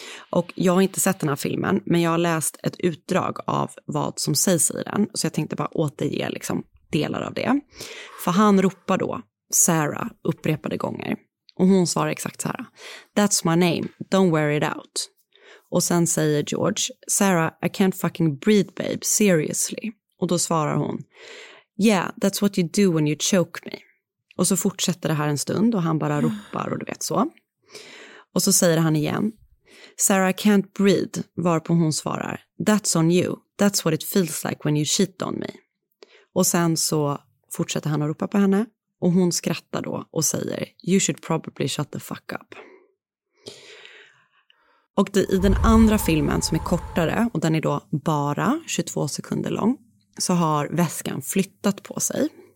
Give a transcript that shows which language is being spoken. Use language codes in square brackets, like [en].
[sv] Och jag har inte sett den här filmen, men jag har läst ett utdrag av vad som sägs i den, så jag tänkte bara återge liksom delar av det. För han ropar då Sarah upprepade gånger och hon svarar exakt så här: [en] "That's my name, don't wear it out." [sv] Och sen säger George: [en] "Sarah, I can't fucking breathe babe, seriously." [sv] Och då svarar hon: [en] "Yeah, that's what you do when you choke me." [sv] Och så fortsätter det här en stund och han bara ropar och du vet så. Och så säger han igen: [en] "Sarah, I can't breathe." [sv] Varpå hon svarar: [en] "That's on you. That's what it feels like when you cheat on me." [sv] Och sen så fortsätter han att ropa på henne. Och hon skrattar då och säger: [en] "You should probably shut the fuck up." [sv] Och i den andra filmen som är kortare, och den är då bara 22 sekunder lång, så har väskan flyttat på sig.